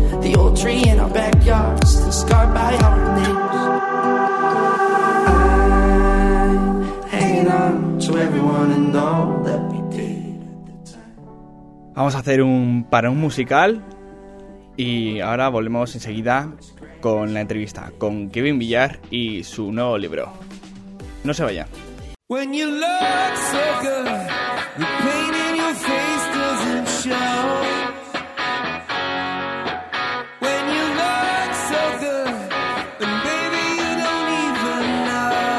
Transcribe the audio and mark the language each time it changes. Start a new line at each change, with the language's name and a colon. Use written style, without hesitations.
English: The old tree in our backyard, still scarred by our names. I'm hanging on to everyone and all that we did at the time.
Spanish: Vamos a hacer un parón musical y ahora volvemos enseguida con la entrevista con Kevin Villar y su nuevo libro. No se vaya.
English: When you look so good, the pain in your face doesn't show. When you look so good, and baby you don't even know.